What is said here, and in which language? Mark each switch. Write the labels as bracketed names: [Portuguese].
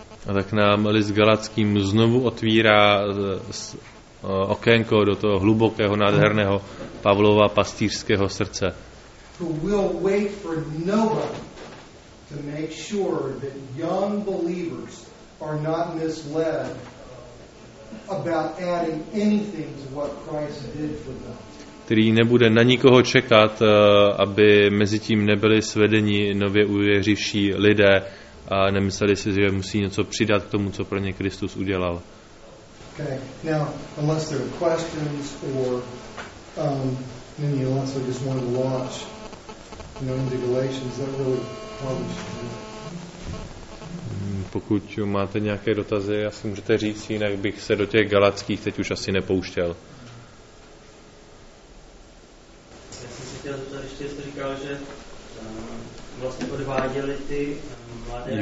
[Czech] A tak nám list Galackým znovu otvírá okénko do toho hlubokého, nádherného Pavlova pastýřského srdce. [English] Who will wait for nobody to make sure that young believers are not misled about adding anything to what Christ did for them. [Czech] Který nebude na nikoho čekat, aby mezi tím nebyli svedeni nově uvěřivší lidé a nemysleli si, že musí něco přidat k tomu, co pro ně Kristus udělal. [English] Okay. Now, unless there are questions or maybe unless I just wanted to watch, into Galatians, that really probably should be. [Czech] Pokud máte nějaké dotazy, asi můžete říct, jinak bych se do těch galackých teď už asi nepouštěl. Já jsem si chtěl zeptat, ještě jste říkal, že vlastně podváděli ty mladé.